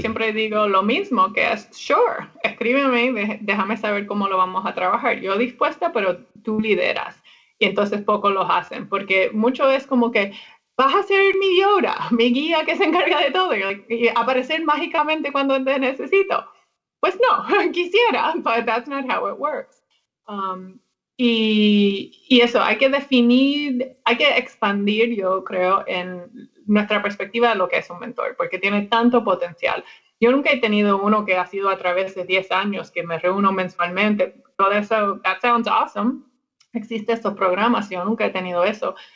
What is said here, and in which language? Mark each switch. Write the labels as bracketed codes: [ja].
[es] siempre digo lo mismo, que es, [en] sure, [es] escríbeme y déjame saber cómo lo vamos a trabajar. Yo dispuesta, pero tú lideras. Y entonces pocos los hacen, porque mucho es como que vas a ser mi Yoda, mi guía que se encarga de todo y aparecer mágicamente cuando te necesito. Pues no, quisiera, [en] but that's not how it works. [es] Y eso, hay que definir, hay que expandir, yo creo, en nuestra perspectiva de lo que es un mentor, porque tiene tanto potencial. Yo nunca he tenido uno que ha sido a través de 10 años, que me reúno mensualmente. Todo eso, [en] that sounds awesome. [es] Existen estos programas, yo nunca he tenido eso.